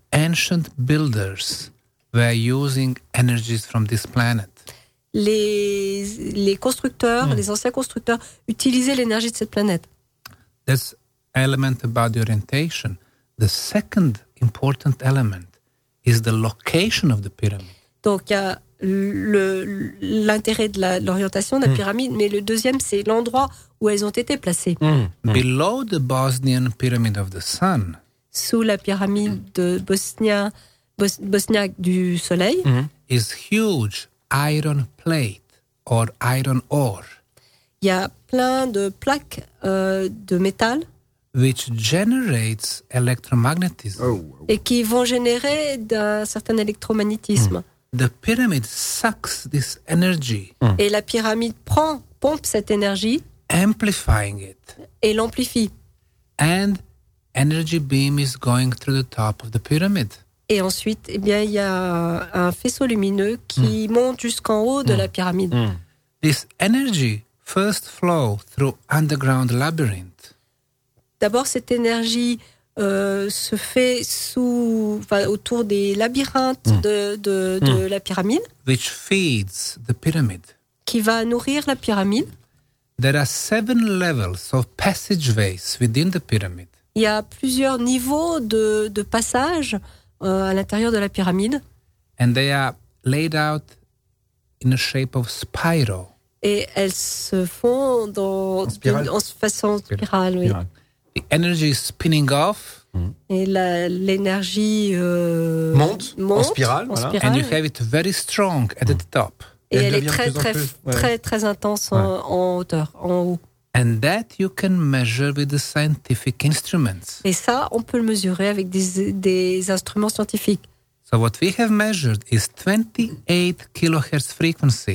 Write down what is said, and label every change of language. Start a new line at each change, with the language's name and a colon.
English: ancient builders were using energies from this planet.
French: Les constructeurs, les anciens constructeurs utilisaient l'énergie de cette planète.
English: This element about the orientation. The second important element is the location of the pyramid.
French: Donc il y a l'intérêt de l'orientation de la pyramide, mais le deuxième c'est l'endroit où elles ont été placées.
English: Below the Bosnian pyramid of the sun.
French: Sous la pyramide de Bosniaque du Soleil.
English: Is huge iron plate or iron ore.
French: Il y a plein de plaques de métal.
English: Which generates electromagnetism.
French: Et qui vont générer d'un certain électromagnétisme.
English: The pyramid sucks this energy.
French: Et la pyramide pompe cette énergie.
English: Amplifying it.
French: Et l'amplifie.
English: And energy beam is going through the top of the pyramid.
French: Et ensuite, eh bien, il y a un faisceau lumineux qui monte jusqu'en haut de la pyramide.
English: This energy first flow through underground labyrinth.
French: D'abord, cette énergie se fait autour des labyrinthes de la pyramide.
English: Which feeds the pyramid.
French: Qui va nourrir la pyramide.
English: There are 7 levels of passageways within the pyramid.
French: Il y a plusieurs niveaux de passage à l'intérieur de la pyramide.
English: And they are laid out in a shape of spiral.
French: Et elles se font en façon spirale. Oui.
English: The energy is spinning off.
French: Et l'énergie monte en spirale. Voilà.
English: And you have it very strong at the top.
French: Et elle est très intense en hauteur, en haut.
English: And that you can measure with the scientific instruments.
French: Et ça, on peut le mesurer avec des instruments scientifiques.
English: So what we have measured is 28 kilohertz frequency.